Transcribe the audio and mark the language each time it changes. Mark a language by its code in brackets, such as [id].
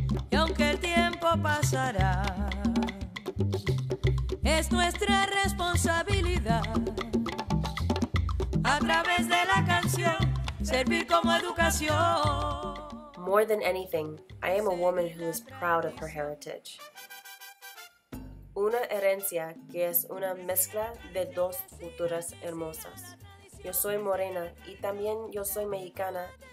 [es] Y aunque el tiempo pasará, es nuestra responsabilidad a través de la canción servir como educación. [en] More than anything, I am a woman who is proud of her heritage. [es] Una herencia que es una mezcla de dos culturas hermosas. Yo soy morena y también yo soy mexicana.